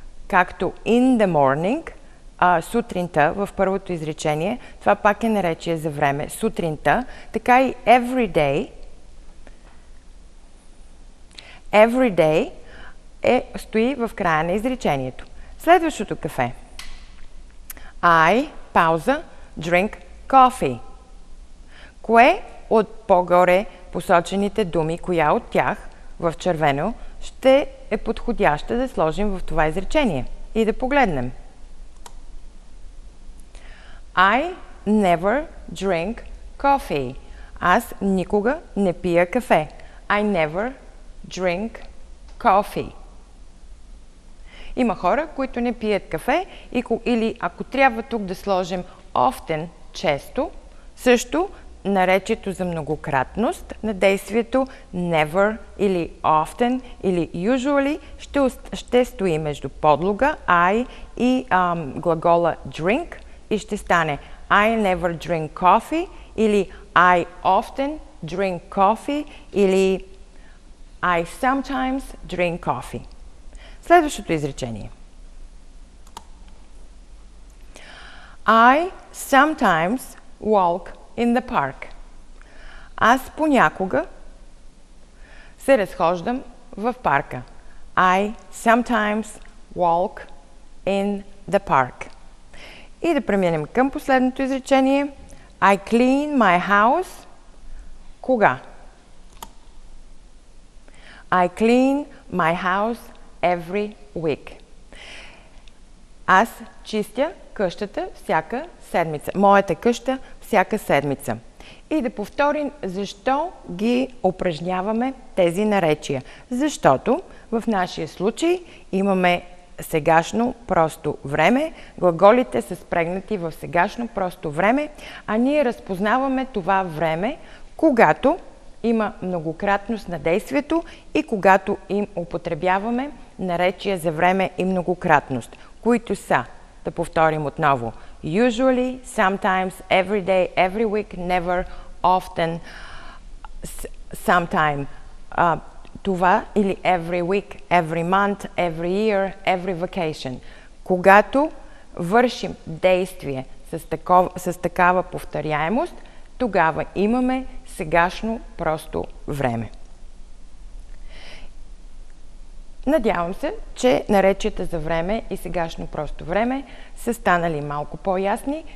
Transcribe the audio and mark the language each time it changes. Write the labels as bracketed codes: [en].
[bg] Както [en] in the morning, [bg] сутринта в първото изречение, това пак е наречие за време, сутринта, така и [en] every day. Every day [bg] стои в края на изречението. Следващото кафе. [en] I, [bg] пауза, [en] drink coffee. [bg] Кое от по-горе посочените думи, коя от тях в червено, ще е подходяща да сложим в това изречение и да погледнем. [en] I never drink coffee. [bg] Аз никога не пия кафе. [en] I never drink coffee. [bg] Има хора, които не пият кафе или ако трябва тук да сложим often, често, също наречието за многократност на действието never или often или usually ще стои между подлога I и глагола drink и ще стане [en] I never drink coffee [bg] или [en] I often drink coffee [bg] или [en] I sometimes drink coffee. [bg] Следващото изречение. [en] I sometimes walk in the park. [bg] Аз понякога се разхождам в парка. [en] I sometimes walk in the park. [bg] И да преминем към последното изречение. [en] I clean my house. [bg] Кога? [en] I clean my house every week. [bg] Аз чистя къщата всяка седмица. Моята къща всяка седмица. И да повторим, защо ги упражняваме тези наречия? Защото в нашия случай имаме сегашно просто време. Глаголите са спрегнати в сегашно просто време, а ние разпознаваме това време, когато има многократност на действието и когато им употребяваме наречия за време и многократност, които са, да повторим отново, [en] usually, sometimes, every day, every week, never, often, sometime, [bg] това или [en] every week, every month, every year, every vacation. [bg] Когато вършим действие с такава повторяемост, тогава имаме сегашно просто време. Надявам се, че наречията за време и сегашно просто време са станали малко по-ясни.